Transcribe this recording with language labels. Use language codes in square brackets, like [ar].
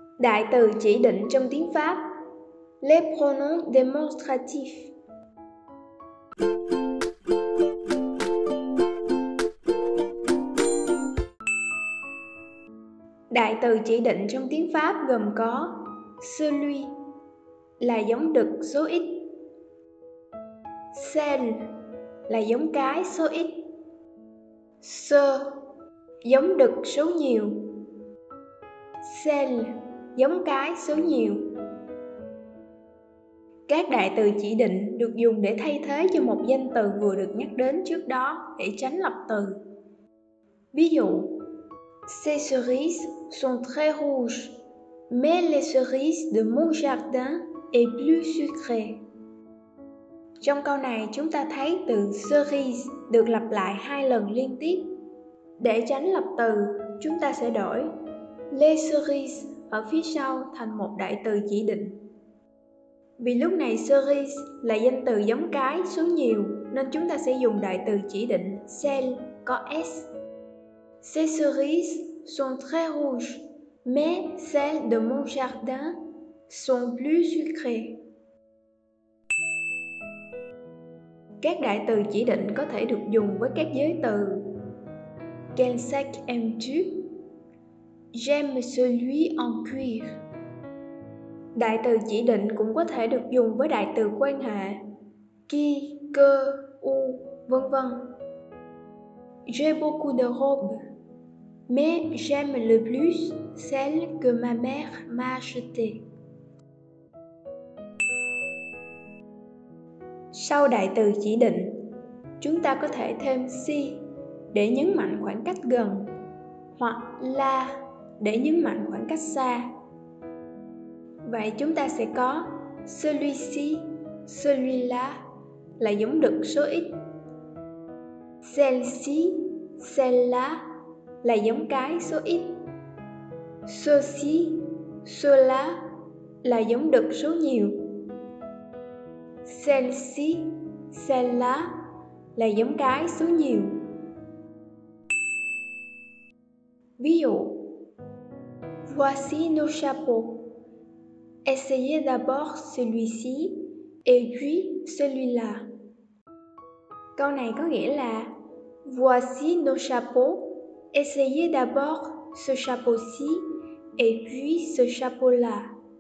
[vi] Đại từ chỉ định trong tiếng Pháp. [fr] Les pronoms démonstratifs. [vi] Đại từ chỉ định trong tiếng Pháp gồm có celui, là giống đực số ít. Celle, là giống cái số ít. Ce, giống đực số nhiều. Celle, giống cái số nhiều. Các đại từ chỉ định được dùng để thay thế cho một danh từ vừa được nhắc đến trước đó để tránh lập từ. Ví dụ, [fr] ces cerises sont très rouges, mais les cerises de mon jardin est plus sucrée. [vi] Trong câu này chúng ta thấy từ cerise được lặp lại hai lần liên tiếp. Để tránh lập từ, chúng ta sẽ đổi les cerises ở phía sau thành một đại từ chỉ định. Vì lúc này cerise là danh từ giống cái số nhiều, nên chúng ta sẽ dùng đại từ chỉ định celle có s. [fr] Ces cerises sont très rouges, mais celles de mon jardin sont plus sucrées. [vi] Các đại từ chỉ định có thể được dùng với các giới từ. [fr] Quel sac aimes-tu? J'aime celui en cuir. [vi] Đại từ chỉ định cũng có thể được dùng với đại từ quan hệ. [fr] Qui, que, où, vân vân. J'ai beaucoup de robes, mais j'aime le plus celle que ma mère m'a achetée. [vi] Sau đại từ chỉ định, chúng ta có thể thêm si để nhấn mạnh khoảng cách gần, hoặc la để nhấn mạnh khoảng cách xa. Vậy chúng ta sẽ có celui-ci, celui-là là giống đực số ít. Celle-ci, celle-là là giống cái số ít. Ceci, cela là giống đực số nhiều. Celle-ci, celle-là là giống cái số nhiều. Ví dụ, [fr] voici nos chapeaux. Essayez d'abord celui-ci et puis celui-là. [vi] Câu này có nghĩa là [fr] voici nos chapeaux. Essayez d'abord ce chapeau-ci et puis ce chapeau-là.